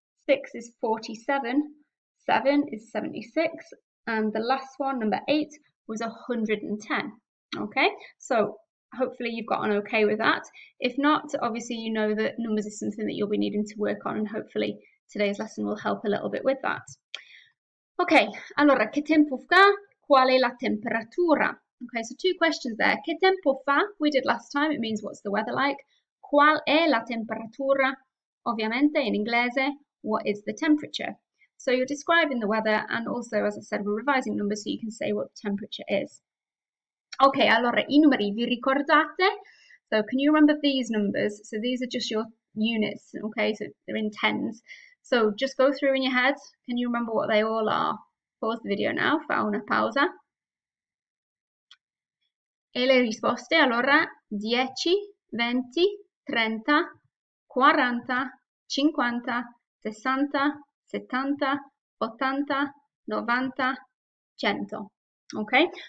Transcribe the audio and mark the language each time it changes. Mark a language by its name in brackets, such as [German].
[English] 6 is 47. 7 is 76. And the last one, number eight, was 110. Okay, so hopefully you've gotten okay with that. If not, obviously you know that numbers is something that you'll be needing to work on, and hopefully today's lesson will help a little bit with that. [Italian] Okay, allora, che tempo fa? Qual è la temperatura? [English] Okay, so two questions there. [Italian] Che tempo fa? [English] We did last time, it means what's the weather like. [Italian] Qual è la temperatura? Ovviamente in inglese, [English] what is the temperature? So you're describing the weather, and also, as I said, we're revising numbers so you can say what the temperature is. [Italian] Ok, allora i numeri vi ricordate? [English] So, can you remember these numbers? So, these are just your units, okay? So, they're in tens. So, just go through in your head. Can you remember what they all are? Pause the video now, [Italian] fa una pausa. E le risposte? Allora, 10, 20, 30, 40, 50, 60, 70, 80, 90, 100. Ok?